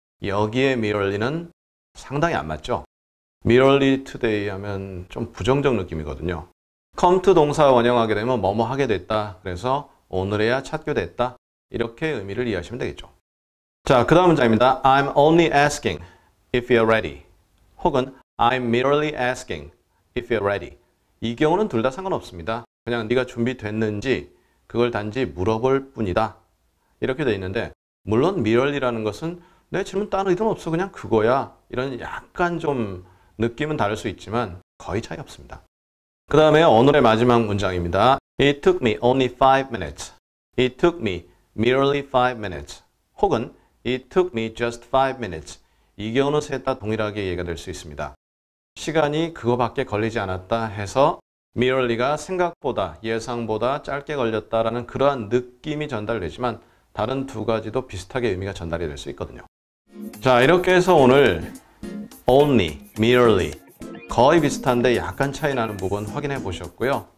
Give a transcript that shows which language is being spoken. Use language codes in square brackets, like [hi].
[ko] 여기에 merely는 상당히 안 맞죠. merely today 하면 좀 부정적 느낌이거든요. come to 동사 원형하게 되면 뭐뭐 하게 됐다. 그래서 오늘에야 찾게 됐다. 이렇게 의미를 이해하시면 되겠죠. 자, 그 다음 문장입니다. [en] I'm only asking. If you're ready. [ko] 혹은 [en] I'm merely asking if you're ready. [ko] 이 경우는 둘 다 상관없습니다. 그냥 네가 준비됐는지 그걸 단지 물어볼 뿐이다. 이렇게 돼 있는데 물론 merely라는 것은 내 질문 딴 의도 없어 그냥 그거야. 이런 약간 좀 느낌은 다를 수 있지만 거의 차이 없습니다. 그 다음에 오늘의 마지막 문장입니다. [en] It took me only 5 minutes. It took me merely 5 minutes. 혹은 It took me just 5 minutes. [ko] 이 경우는 셋 다 동일하게 이해가 될 수 있습니다. 시간이 그거밖에 걸리지 않았다 해서 merely가 생각보다 예상보다 짧게 걸렸다라는 그러한 느낌이 전달되지만 다른 두 가지도 비슷하게 의미가 전달이 될 수 있거든요. 자, 이렇게 해서 오늘 only, merely 거의 비슷한데 약간 차이 나는 부분 확인해 보셨고요.